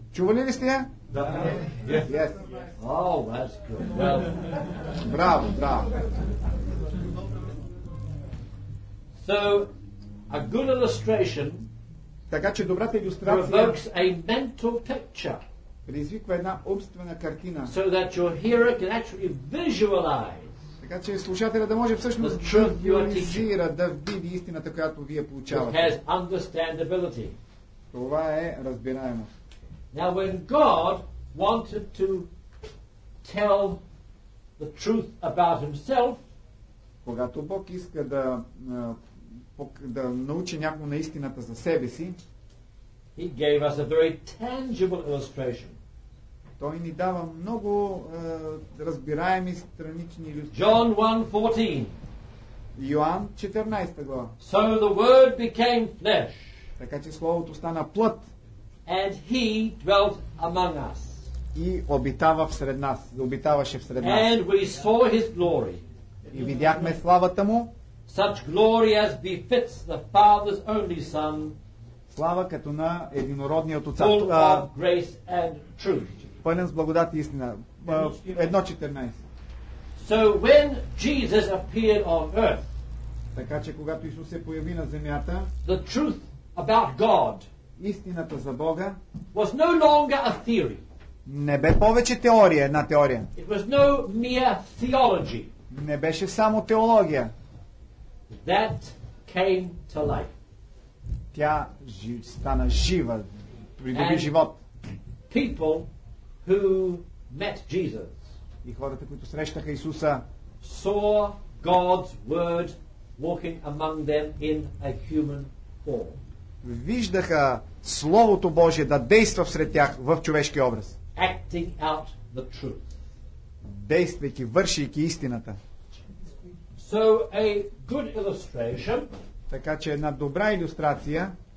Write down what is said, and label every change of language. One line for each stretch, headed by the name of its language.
Bulgarian: Чували ли сте я? Да.
English: Yes. Oh, that's good. Well.
Bulgarian: Браво, браво.
English: So, a good illustration,
Bulgarian: така че добрата илюстрация,
English: provokes a mental picture,
Bulgarian: предизвиква една умствена картина,
English: so that your hearer can actually visualize,
Bulgarian: така че слушателя да може всъщност да визуализира, да види истината, която вие получавате.
English: Has understandability.
Bulgarian: Това е разбираемост.
English: Now when God wanted to tell the truth about himself,
Bulgarian: когато Бог иска да да научи някого на истината за себе си,
English: he gave us a very tangible illustration.
Bulgarian: Той ни дава много разбираеми странични илюстрации.
English: John 1:14.
Bulgarian: Йоан 14 глава.
English: So the word became flesh.
Bulgarian: Така че словото стана плът.
English: And he dwelt among us.
Bulgarian: И обитава всред нас, обитаваше всред нас.
English: And we saw his glory.
Bulgarian: И видяхме славата му.
English: Such glory as befits the Father's only Son.
Bulgarian: Слава като на единородният Отец.
English: Full of grace and truth.
Bulgarian: Пълен с благодат и истина.
English: 1:14. So when Jesus appeared on earth,
Bulgarian: така че когато Исус се появи на земята,
English: the truth about God,
Bulgarian: истината за Бога,
English: was no longer a theory.
Bulgarian: Не бе повече теория, една теория.
English: It was no mere theology.
Bulgarian: Не беше само теология.
English: That came to life.
Bulgarian: Тя стана жива, придоби живот.
English: People who met Jesus,
Bulgarian: и хората, които срещаха Исуса,
English: saw God's word walking among them in a human form.
Bulgarian: Виждаха Словото Божие да действа всред тях в човешки образ.
English: Acting out the truth.
Bulgarian: Действайки, вършейки истината.
English: So a good illustration,
Bulgarian: така че една добра илюстрация,